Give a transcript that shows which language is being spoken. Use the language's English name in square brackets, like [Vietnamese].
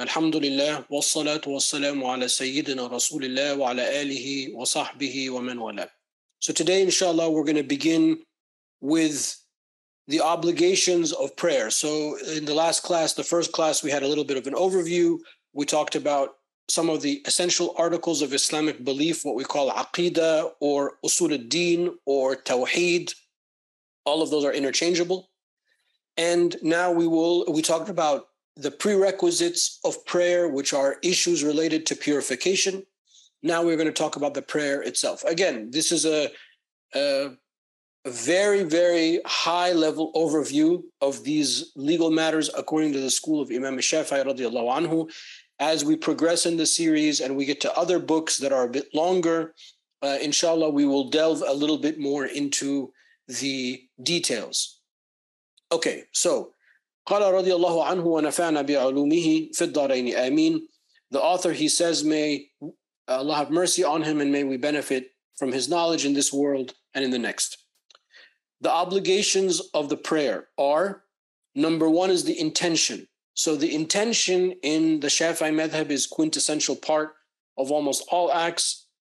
[Arabic] الحمد لله والصلاة والسلام على سيدنا رسول الله وعلى آله وصحبه ومن والاه. [English] So today, inshallah, we're going to begin with the obligations of prayer. So in the last class, the first class, we had a little bit of an overview. We talked about some of the essential articles of Islamic belief, what we call aqidah or usul al-deen or tawheed. All of those are interchangeable. And now we talked about the prerequisites of prayer, which are issues related to purification. Now we're going to talk about the prayer itself. Again, this is a very, very high-level overview of these legal matters according to the school of Imam Shafi'i radiallahu anhu. As we progress in the series and we get to other books that are a bit longer, inshallah, we will delve a little bit more into the details. Okay, so [Arabic] قال رضي الله عنه ونفعنا بعلومه في الدارين آمين. [English] The author, he says, may Allah have mercy on him and may we benefit from his knowledge in this world and in the next. The obligations of the prayer are, number one is the intention. So the intention in the Shafi'i madhab is quintessential part of almost all acts.